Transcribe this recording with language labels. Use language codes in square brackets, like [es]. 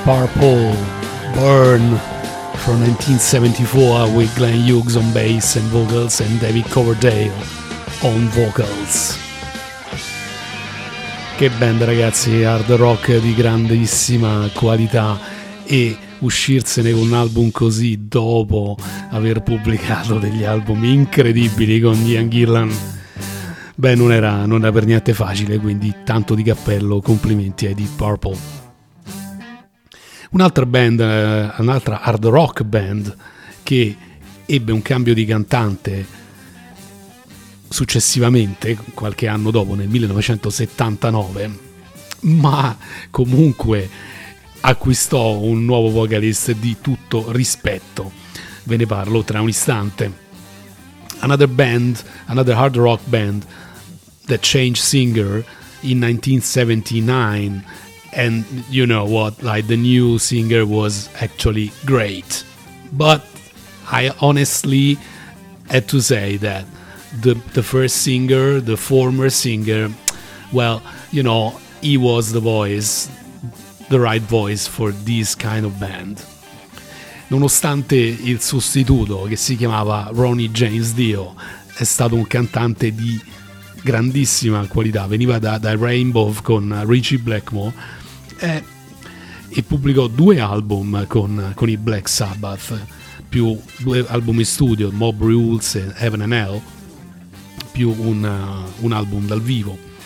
[en] Paul Burn from 1974 with Glenn Hughes on bass and vocals and David Coverdale on vocals. [it] Che band, ragazzi, hard rock di grandissima qualità, e uscirsene con un album così dopo aver pubblicato degli album incredibili con Ian Gillan, beh, non era per niente facile, quindi tanto di cappello, complimenti ai Deep Purple. Un'altra band, un'altra hard rock band che ebbe un cambio di cantante successivamente, qualche anno dopo, nel 1979, ma comunque acquistò un nuovo vocalist di tutto rispetto. Ve ne parlo tra un istante. [en] Another band, another hard rock band that changed singer in 1979. And you know what, like, the new singer was actually great, but I honestly had to say that the first singer, the former singer, well, you know, he was the voice, the right voice for this kind of band. [it] Nonostante il sostituto, che si chiamava Ronnie James Dio, è stato un cantante di grandissima qualità, veniva da Rainbow con Ritchie Blackmore, e pubblicò due album con i Black Sabbath, più due album in studio, Mob Rules e Heaven and Hell, più un album dal vivo.